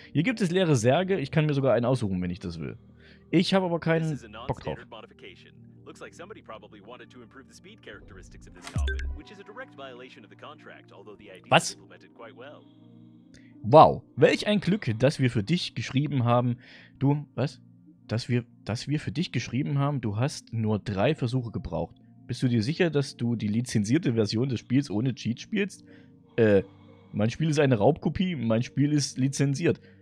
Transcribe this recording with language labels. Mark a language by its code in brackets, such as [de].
[de] Hier gibt es leere Särge. Ich kann mir sogar einen aussuchen, wenn ich das will. Ich habe aber keinen Bock drauf. [en] Looks like somebody probably wanted to improve the speed characteristics of this Coffin, which is a direct violation of the contract, although the idea was implemented quite well. [de] Wow, welch ein Glück, dass wir für dich geschrieben haben. Du, was? Dass wir für dich geschrieben haben, du hast nur 3 Versuche gebraucht. Bist du dir sicher, dass du die lizenzierte Version des Spiels ohne Cheat spielst? Mein Spiel ist eine Raubkopie, mein Spiel ist lizenziert.